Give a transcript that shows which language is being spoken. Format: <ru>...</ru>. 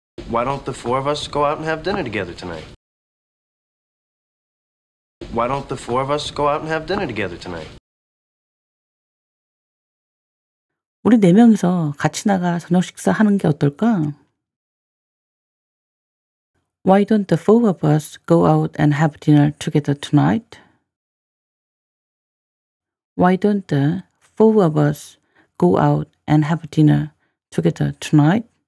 <en>Why don't the four of us go out and have dinner together tonight? Why don't the four of us go out and have dinner together tonight?</en> <ko>우리 네 명이서 같이 나가 저녁 식사하는 게 어떨까?</ko> <en>Why don't the four of us go out and have dinner together tonight? Why don't the four of us go out and have dinner together tonight?</en>